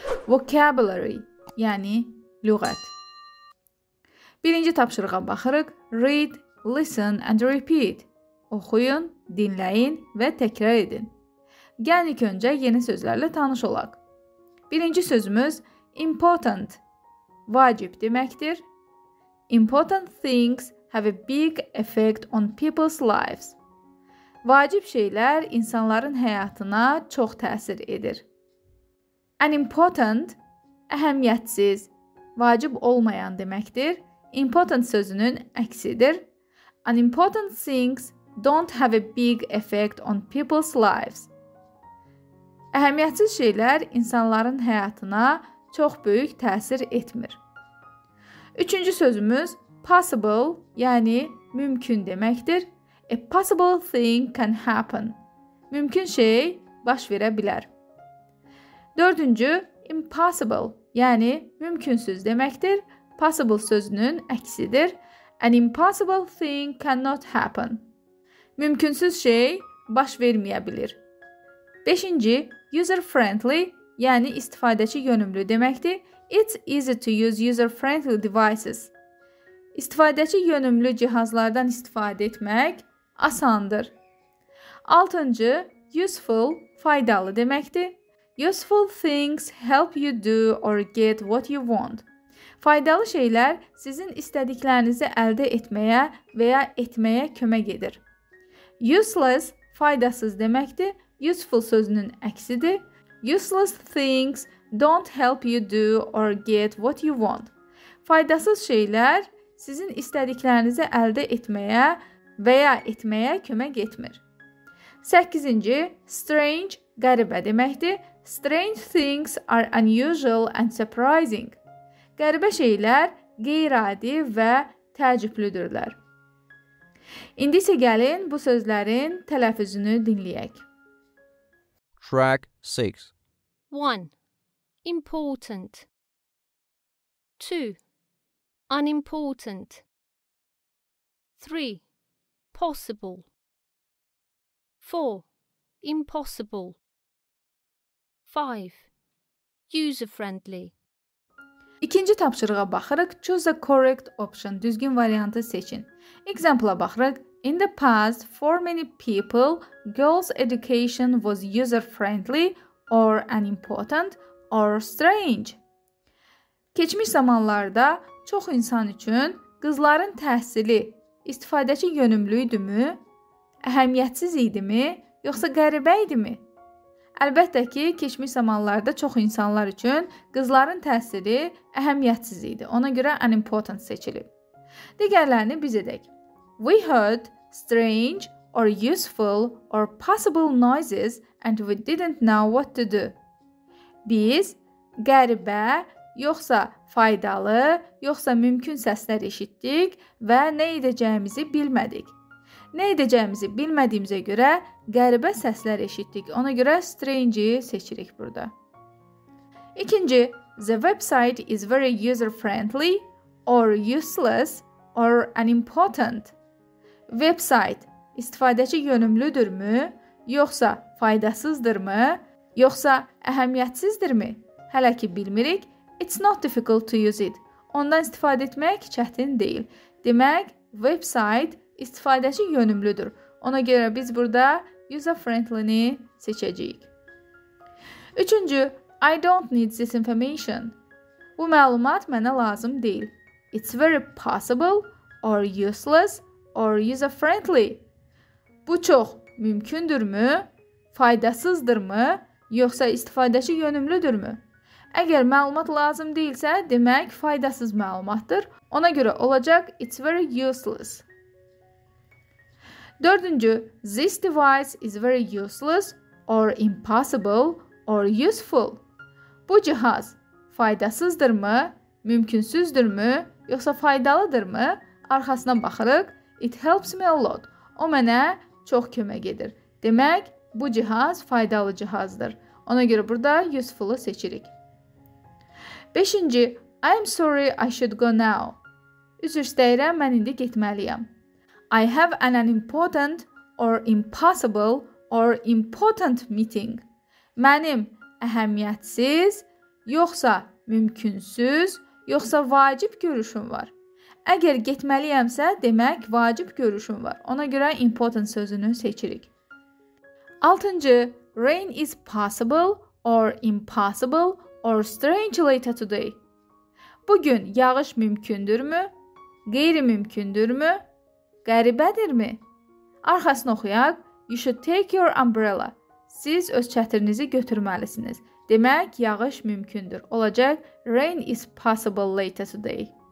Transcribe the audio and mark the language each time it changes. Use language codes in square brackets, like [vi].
[az] Vocabulary, yəni lüğət. 1-ci tapşırığa baxırıq. [en] Read, listen and repeat. [az] Oxuyun, dinləyin və təkrar edin. Gəlin ilk öncə yeni sözlərlə tanış olaq. 1-ci sözümüz important. Vacib deməkdir. [en] Important things have a big effect on people's lives. [az] Vacib şeylər insanların həyatına çox təsir edir. An important, əhəmiyyətsiz, vacib olmayan deməkdir. Important sözünün əksidir. [en] An important things don't have a big effect on people's lives. [az] Əhəmiyyətsiz şeylər insanların həyatına çox böyük təsir etmir. Üçüncü sözümüz possible, yəni mümkün deməkdir. [en] A possible thing can happen. [az] Mümkün şey baş verə bilər. Dördüncü, impossible, yəni mümkünsüz deməkdir. Possible sözünün əksidir. [en] An impossible thing cannot happen. [az] Mümkünsüz şey baş verməyə bilər. Beşinci, user-friendly, yəni istifadəçi yönümlü deməkdir. [en] It's easy to use user-friendly devices. [az] İstifadəçi yönümlü cihazlardan istifadə etmək asandır. Altıncı, useful, faydalı deməkdir. [en] Useful things help you do or get what you want. [az] Faydalı şeylər sizin istədiklərinizi əldə etməyə və ya etməyə kömək edir. Useless, faydasız deməkdir. Useful sözünün əksidir. [en] Useless things don't help you do or get what you want. [az] Faydasız şeylər sizin istədiklərinizi əldə etməyə və ya etməyə kömək etmir. 8-ci, strange, qəribə deməkdir. [en] Strange things are unusual and surprising. [az] Qəribə şeylər qeyri-adi və təəccüblüdürlər. İndi isə gəlin bu sözlərin tələffüzünü dinləyək. [en] Track 6. 1. Important. 2. Unimportant. 3. Possible. 4. Impossible. 5. User-friendly. [az] İkinci tapşırığa baxırıq. [en] Choose the correct option. [az] Düzgün variantı seçin. Example-a baxırıq. [en] In the past, for many people, girls' education was user-friendly or unimportant or strange. [az] Keçmiş zamanlarda çox insan üçün qızların təhsili istifadəçi yönümlüydümü, əhəmiyyətsiz idimi, yoxsa qəribə idimi? Əlbəttə ki, keçmiş zamanlarda çox insanlar üçün qızların təhsili əhəmiyyətsiz idi. Ona görə unimportant seçilib. Digərlərini biz edək. [en] We heard strange or useful or possible noises and we didn't know what to do. [az] Biz qəribə, yoxsa faydalı, yoxsa mümkün səslər eşitdik və nə edəcəyimizi bilmədik. Nə edəcəyimizi bilmədiyimizə görə qəribə səslər eşitdik. Ona görə strange-i seçirik burada. [en] İkinci, the website is very user-friendly or useless or unimportant. [az] Website istifadəçi yönümlüdürmü, yoxsa faydasızdırmı, yoxsa əhəmiyyətsizdirmi? Hələ ki bilmirik. [en] It's not difficult to use it. [az] Ondan istifadə etmək çətin deyil. Demək, website istifadəçi yönümlüdür. Ona görə biz burada user-friendly-ni seçəcəyik. [en] Üçüncü, I don't need this information. [az] Bu məlumat mənə lazım deyil. [en] It's very possible or useless or user-friendly. [az] Bu çox mümkündürmü, faydasızdırmı, yoxsa istifadəçi yönümlüdürmü? Əgər məlumat lazım deyilsə, demək faydasız məlumatdır. Ona görə olacaq, [en] it's very useless. Dördüncü, this device is very useless or impossible or useful. [az] Bu cihaz faydasızdırmı, mümkünsüzdürmü, yoxsa faydalıdırmı? Arxasına baxırıq. [en] It helps me a lot. [az] O mənə çox kömək edir. Demək, bu cihaz faydalı cihazdır. Ona görə burada useful-u seçirik. Beşinci, [en] I'm sorry, I should go now. [az] Üzr istəyirəm, mən indi getməliyəm. [en] I have an unimportant or impossible or important meeting. [az] Mənim əhəmiyyətsiz, yoxsa mümkünsüz, yoxsa vacib görüşüm var. Əgər getməliyəmsə, demək vacib görüşüm var. Ona görə important sözünü seçirik. 6. [en] Rain is possible or impossible or strange later today. [az] Bugün yağış mümkündürmü? Qeyri-mümkündürmü? Qəribədirmi? Arxasını oxuyaq. [en] You should take your umbrella. [az] Siz öz çətirinizi götürməlisiniz. Demək, yağış mümkündür. [en] Olacaq, rain is possible later today.